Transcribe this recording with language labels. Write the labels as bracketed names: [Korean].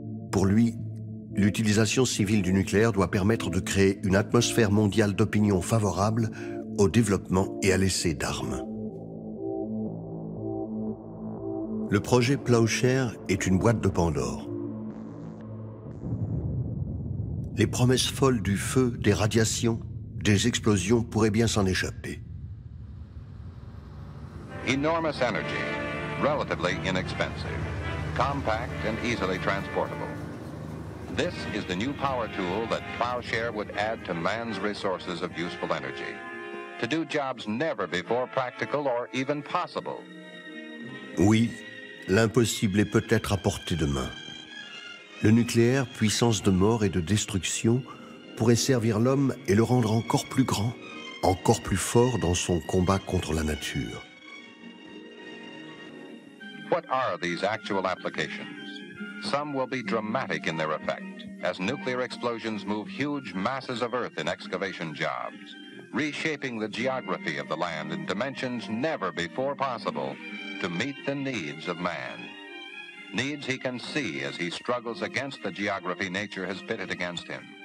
[French] Pour lui, l'utilisation civile du nucléaire doit permettre de créer une atmosphère mondiale d'opinion favorable au développement et à l'essai d'armes. Le projet Plowshare est une boîte de Pandore. Les promesses folles du feu, des radiations, des explosions pourraient bien s'en échapper. [English] Enormous energy, relatively inexpensive, compact and easily transportable. This is the new power tool that Plowshare would add to man's resources of useful energy. To do jobs never before practical or even possible. [French] Oui. L'impossible est peut-être à portée de main. Le nucléaire, puissance de mort et de destruction, pourrait servir l'homme et le rendre encore plus grand, encore plus fort dans son combat contre la nature. [English] What are these actual applications? Some will be dramatic in their effect, as nuclear explosions move huge masses of earth in excavation jobs, reshaping the geography of the land in dimensions never before possible. To meet the needs of man. Needs he can see as he struggles against the geography nature has pitted against him.